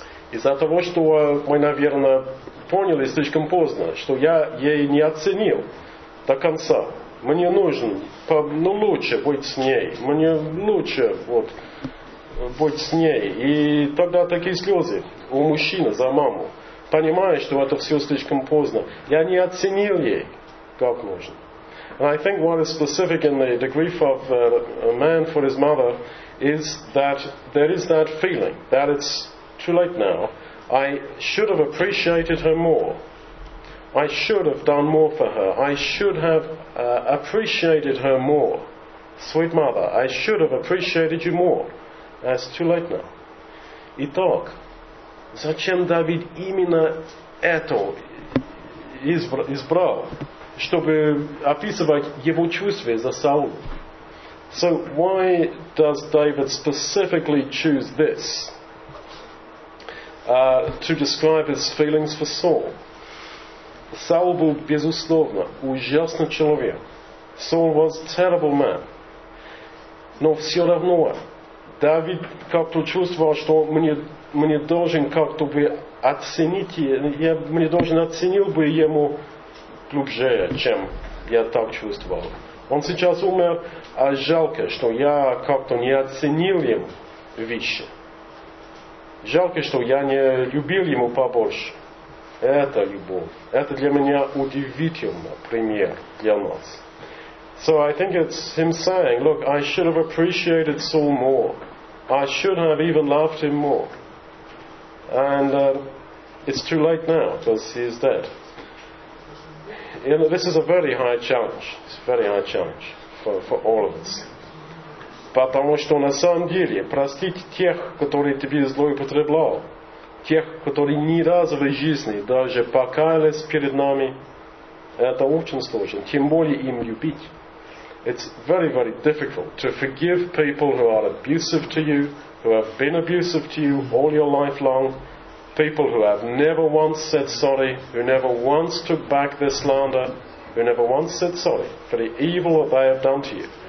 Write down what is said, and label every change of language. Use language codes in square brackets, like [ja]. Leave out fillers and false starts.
[ru] Из-за того, что мы, наверное, поняли слишком поздно, что я ей не оценил до конца. Мне нужно, ну, лучше быть с ней. Мне лучше вот, быть с ней. И тогда такие слезы у мужчины за маму. Понимаешь, что это все слишком поздно. Я не оценил ей как нужно. [en] And I think what is specific in the grief of a man for his mother is that there is that feeling that it's too late now. I should have appreciated her more. I should have done more for her. I should have appreciated her more. Sweet mother, I should have appreciated you more. It's too late now. [ru] Итак, зачем Давид именно это избрал? Чтобы описывать его чувства за Саула. [en] So why does David specifically choose this to describe his feelings for Saul? [ru] Саул был безусловно ужасный человек. [en] Saul was a terrible man. [ru] Но все равно Давид как-то чувствовал, что мне должен как-то бы оценить, я мне должен оценил бы ему глубже, чем я так чувствовал. Он сейчас умер, а жалко, что я как-то не оценил ему вещи. Жалко, что я не любил ему побольше. Это любовь. Это для меня удивительный пример для нас. [en] So I think it's him saying, look, I should have appreciated Saul more. I should have even loved him more. And it's too late now, because he's dead. You know, this is a very high challenge. It's a very high challenge for all of us. [ru] Потому что на самом деле простить тех, которые тебе злоупотребляли, тех, которые ни разу в жизни даже покаялись перед нами, это очень сложно. Тем более им любить. [en] It's very, very difficult to forgive people who are abusive to you, who have been abusive to you all your life long. People who have never once said sorry, who never once took back their slander, who never once said sorry for the evil that they have done to you.